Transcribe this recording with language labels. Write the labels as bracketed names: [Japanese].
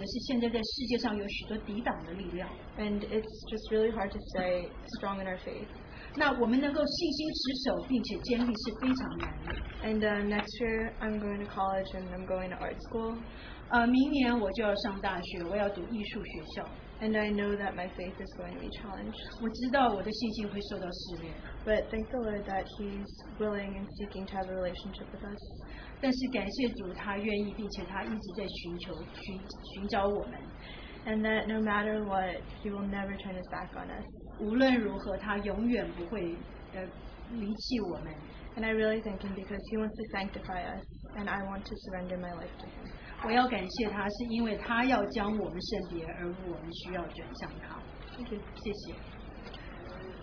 [Chinese] 那这个就是让我又被点醒的是现在在世界上有许多抵挡的力量。 [English] And it's just really hard to stay strong in our faith. [Chinese] 那我们能够信心持守并且坚立是非常难的。 [English] And next year I'm going to college and I'm going to art school. [Chinese] 明年我就要上大学，我要读艺术学校。 [English] And I know that my faith is going to be challenged. [Chinese] 我知道我的信心会受到试炼。 [English] But thank the Lord that He's willing and seeking to have a relationship with us. [Chinese] 但是感谢主，他愿意，并且他一直在寻求寻找我们。 [English] And that no matter what, He will never turn His back on us. [Chinese] 无论如何，他永远不会离弃我们。 [English] And I really thank Him because He wants to sanctify us, and I want to surrender my life to Him. [Chinese] 我要感谢他，是因为他要将我们圣别，而我们需要转向他。谢谢。